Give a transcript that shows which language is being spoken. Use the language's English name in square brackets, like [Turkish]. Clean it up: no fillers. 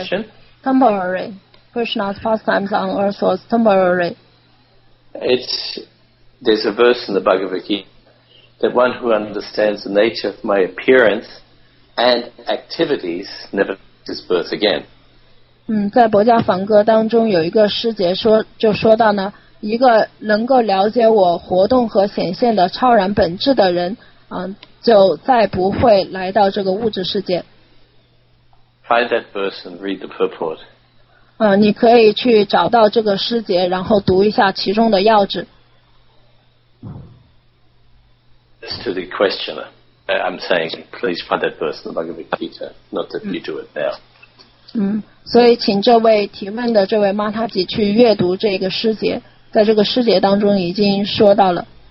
[English] Is that the question? Temporary. Krishna's pastimes on Earth was temporary. There's a verse in the Bhagavad Gita that one who understands the nature of my appearance and activities never takes birth again. [Chinese] 在《薄伽梵歌》当中有一个师节说到呢，一个能够了解我活动和显现的超然本质的人，就再不会来到这个物质世界。 [English] Find that verse and read the purport. [Chinese] 你可以去找到这个诗节，然后读一下其中的要旨。 [English] It's to the questioner. I'm saying, please find that verse in the Bhagavad Gita, not that you do it now. [Chinese] 所以请这位提问的这位 Mataji 去阅读这个诗节，在这个诗节当中已经说到了。